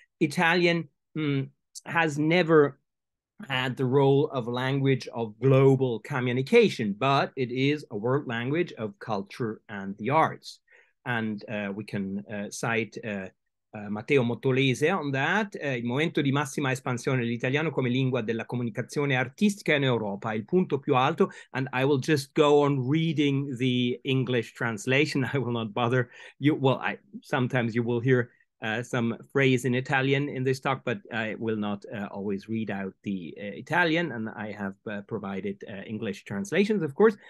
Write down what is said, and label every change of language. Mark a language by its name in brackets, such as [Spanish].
[English] Italian has never had the role of a language of global communication, but it is a world language of culture and the arts. And we can cite Matteo Mottolese on that. [Italian] Il momento di massima espansione dell'italiano come lingua della comunicazione artistica in Europa, il punto più alto. [English] And I will just go on reading the English translation. I will not bother you. Well, sometimes you will hear some phrase in Italian in this talk, but I will not always read out the Italian, and I have provided English translations, of course.